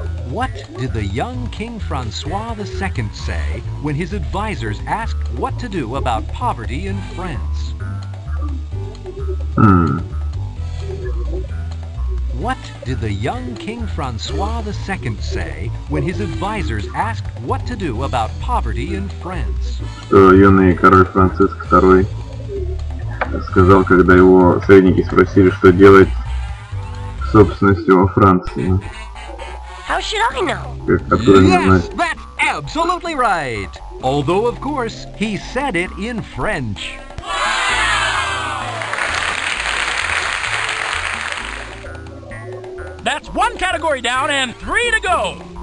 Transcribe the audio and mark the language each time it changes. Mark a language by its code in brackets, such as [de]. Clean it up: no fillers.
[en] What did the young King Francois II say when his advisors asked what to do about poverty in France? What did the young King Francois II say when his advisors asked what to do about poverty in France? [ru] Что юный король Франциск II сказал, когда его советники спросили, что делать с собственностью во Франции? [en] How should I know? Yes, that's absolutely right. Although, of course, he said it in French. That's one category down and three to go.